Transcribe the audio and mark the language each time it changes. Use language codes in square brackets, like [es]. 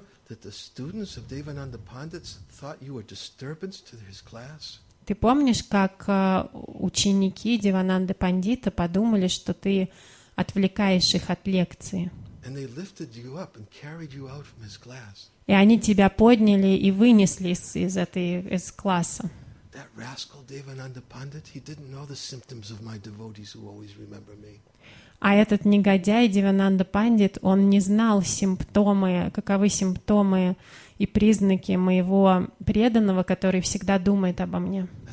[en] That the students of Devananda Pandits thought you were a disturbance to his class? [ru] Ты помнишь, как ученики Девананды Пандита подумали, что ты отвлекаешь их от лекции? [en] And they lifted you up and carried you out from his class. [ru] И они тебя подняли и вынесли из класса. [en] That rascal Devananda Pandit, he didn't know the symptoms of my devotees who always remember me. [ru] А этот негодяй Девананда Пандит, он не знал каковы симптомы и признаки моего преданного, который всегда думает обо мне.